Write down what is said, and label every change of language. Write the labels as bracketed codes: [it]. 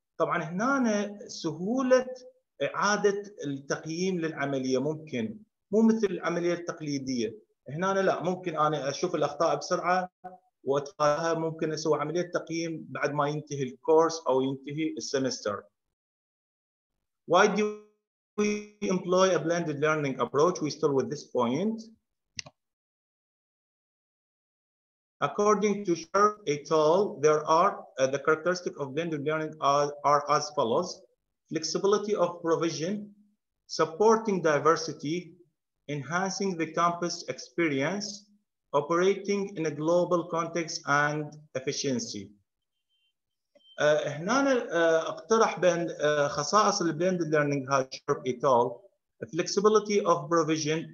[ar] طبعاً هنا سهولة إعادة التقييم للعملية ممكن. مو مثل العملية التقليدية. هنا لا، ممكن أنا أشوف الأخطاء بسرعة وأتقاها، ممكن أسوي عملية تقييم بعد ما ينتهي الكورس أو ينتهي السمستر. [en] Why do we employ a blended learning approach? We start with this point. According to Sharp et al., there are the characteristics of blended learning are as follows: flexibility of provision, supporting diversity, enhancing the campus experience, operating in a global context, and efficiency. [ar] هنا اقترح بين خصائص البلندد ليرنينج هاي شارب ايت ال [en] flexibility of provision.